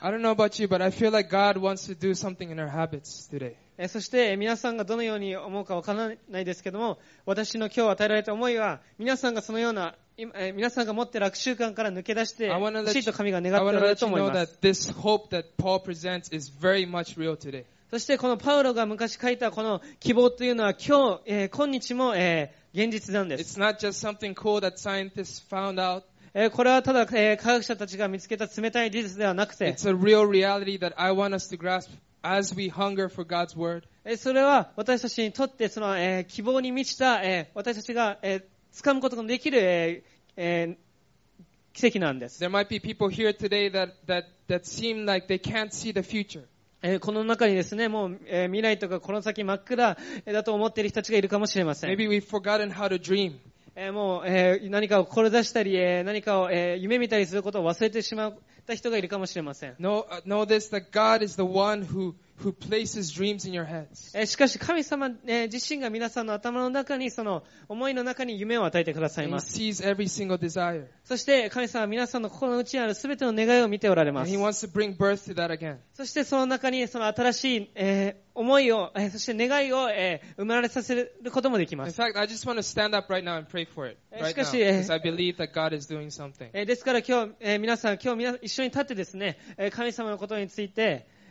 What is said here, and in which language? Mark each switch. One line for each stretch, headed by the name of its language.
English: I don't know about you, but I feel like God wants to do something in our habits today.
Japanese: そして皆さんがどのように思うかわからないですけども、私の今日与えられた思いは、皆さんがそのような皆さんが持っている悪習慣から抜け出してほしいと神が願っておられると思います。
English: I want to let you know that this hope that Paul presents is very much real today.
Japanese: そしてこのパウロが昔書いたこの希望というのは今日、今日も、現実なんです。
English: It's not just something cool that scientists found out.
Japanese: これはただ、科学者たちが見つけた冷たい事実ではなくて。
English: It's a real reality that I want us to grasp as we hunger for God's word.
Japanese: それは私たちにとってその、希望に満ちた、私たちが、掴むことのできる、奇跡なんです。
English: There might be people here today that seem like they can't see the future.
Japanese: この中にですね、もう未来とかこの先真っ暗だと思っている人たちがいるかもしれません。
English: Maybe we've forgotten how to dream.
Japanese: もう何かを志したり、何かを夢見たりすることを忘れてしまった人がいるかもしれません。
English: Know this, that God is the one who places dreams in your heads.
Japanese: しかし神様自身が皆さんの頭の中にその思いの中に夢を与えてくださいます。
English: He sees every single desire.
Japanese: そして神様は皆さんの心の内にあるすべての願いを見ておられます。
English: He wants to bring birth to that again.
Japanese: そしてその中にその新しい思いを、そして願いを生まれさせることもできます。
English: In fact, I just want to stand up right now and pray for it.
Japanese: しかし、
English: because I believe that God is doing something.
Japanese: ですから今日皆さん今日一緒に立ってですね、神様のことについて。